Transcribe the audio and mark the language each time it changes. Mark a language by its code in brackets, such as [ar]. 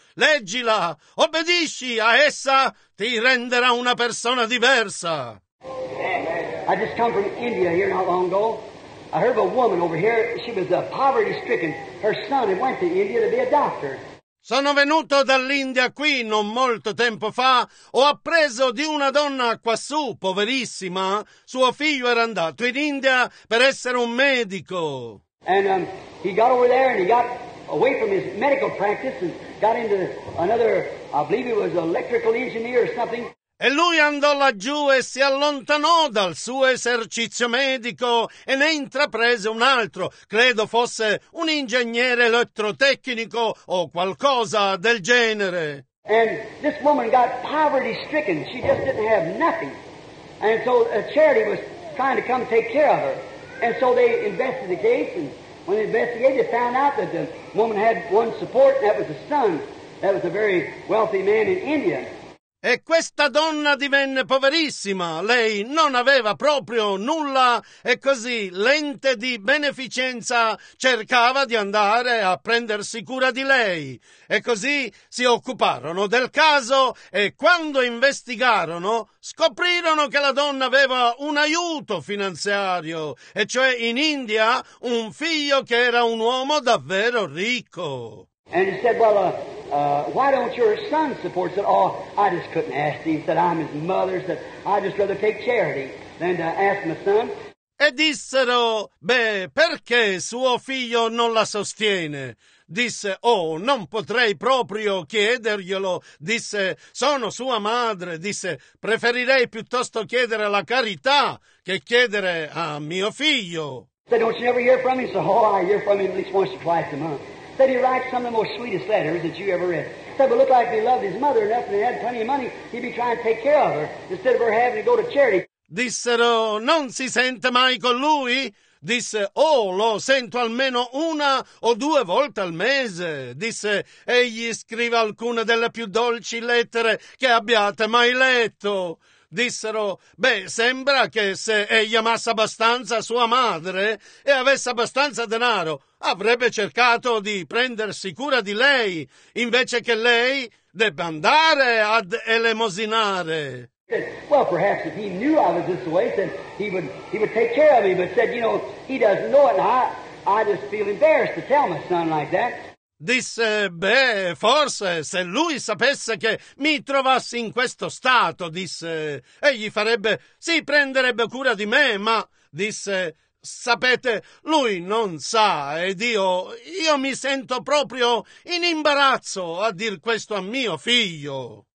[it] Leggila, obbedisci a essa, ti renderà una persona diversa. [en] I just come from India here not long ago. I heard of a woman over here, she was poverty stricken. Her son had went to India to be a doctor. [it] Sono venuto dall'India qui non molto tempo fa, ho appreso di una donna quassù, poverissima, suo figlio era andato in India per essere un medico. [en] And he got over there and he got away from his medical practice and got into another, I believe it was an electrical engineer or something. [it] E lui andò laggiù e si allontanò dal suo esercizio medico e ne intraprese un altro, credo fosse un ingegnere elettrotecnico o qualcosa del genere. [en] And this woman got poverty stricken, she just didn't have nothing. And so a charity was trying to come take care of her. And so they investigated the case, and when they investigated, they found out that the woman had one support, and that was a son, that was a very wealthy man in India. [it] E questa donna divenne poverissima, lei non aveva proprio nulla e così l'ente di beneficenza cercava di andare a prendersi cura di lei. E così si occuparono del caso e quando investigarono scoprirono che la donna aveva un aiuto finanziario, e cioè in India un figlio che era un uomo davvero ricco. [en] And he said, well, why don't your son support? He said, oh, I just couldn't ask him. He said, I'm his mother. He said, I'd just rather take charity than to ask my son. [it] E dissero, beh, perché suo figlio non la sostiene? Disse, oh, non potrei proprio chiederglielo. Disse, sono sua madre. Disse, preferirei piuttosto chiedere la carità che chiedere a mio figlio. [en] He said, don't you ever hear from him? He said, oh, I hear from him at least once or twice a month. Said he writes some of the most sweetest letters that you ever read. Said, but look like he loved his mother enough and he had plenty of money, he'd be trying to take care of her instead of her having to go to charity. [it] Dissero, non si sente mai con lui? Disse, oh, lo sento almeno una o due volte al mese. Disse, egli scrive alcune delle più dolci lettere che abbiate mai letto. Dissero, beh, sembra che se egli amasse abbastanza sua madre e avesse abbastanza denaro, avrebbe cercato di prendersi cura di lei, invece che lei debba andare ad elemosinare. [en] Well, perhaps if he knew I was this way, then he would take care of me, but said, you know, he doesn't know it, and I just feel embarrassed to tell my son like that. [it] Disse, beh, forse se lui sapesse che mi trovassi in questo stato, disse, egli farebbe, sì, prenderebbe cura di me, ma, disse, sapete, lui non sa, ed io mi sento proprio in imbarazzo a dir questo a mio figlio.